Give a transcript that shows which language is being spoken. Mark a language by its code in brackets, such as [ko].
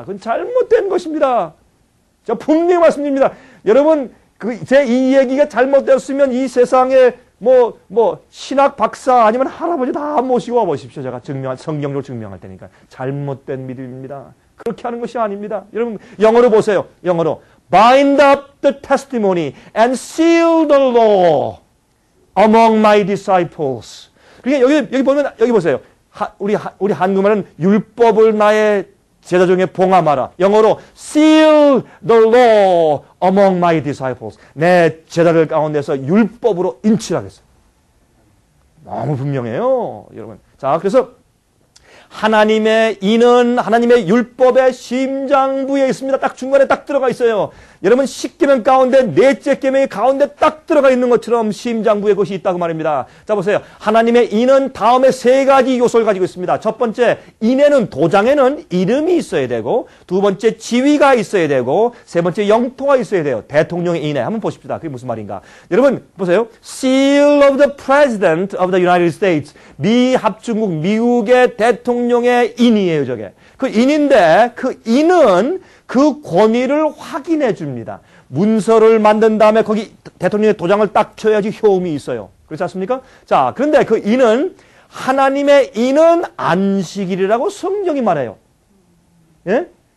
[ko] 그건 잘못된 것입니다. 제가 분명히 말씀드립니다. 여러분, 제 이 얘기가 잘못되었으면 이 세상에 신학 박사 아니면 할아버지 다 모시고 와보십시오. 제가 성경으로 증명할 테니까. 잘못된 믿음입니다. 그렇게 하는 것이 아닙니다. 여러분, 영어로 보세요. 영어로. [en] Bind up the testimony and seal the law among my disciples. [ko] 그러니까 여기 보면, 여기 보세요. 우리 한국말은 율법을 나의 제자 중에 봉함하라. 영어로 [en] seal the law among my disciples. [ko] 내 제자들 가운데서 율법으로 인치하겠어요. 너무 분명해요, 여러분. 자, 그래서 하나님의 인은 하나님의 율법의 심장부에 있습니다. 딱 중간에 딱 들어가 있어요. 여러분, 십계명 가운데 넷째 계명의 가운데 딱 들어가 있는 것처럼 심장부에 것이 있다고 말입니다. 자, 보세요. 하나님의 인은 다음에 세 가지 요소를 가지고 있습니다. 첫 번째, 인에는 도장에는 이름이 있어야 되고, 두 번째 지위가 있어야 되고, 세 번째 영토가 있어야 돼요. 대통령의 인에. 한번 보십시다. 그게 무슨 말인가. 여러분, 보세요. [en] Seal of the President of the United States. [ko] 미합중국, 미국의 대통령의 인이에요, 저게. 그 인인데, 그 인은 그 권위를 확인해 줍니다. 문서를 만든 다음에 거기 대통령의 도장을 딱 쳐야지 효험이 있어요. 그렇지 않습니까? 자, 그런데 그 인은 하나님의 인은 안식일이라고 성경이 말해요. 예?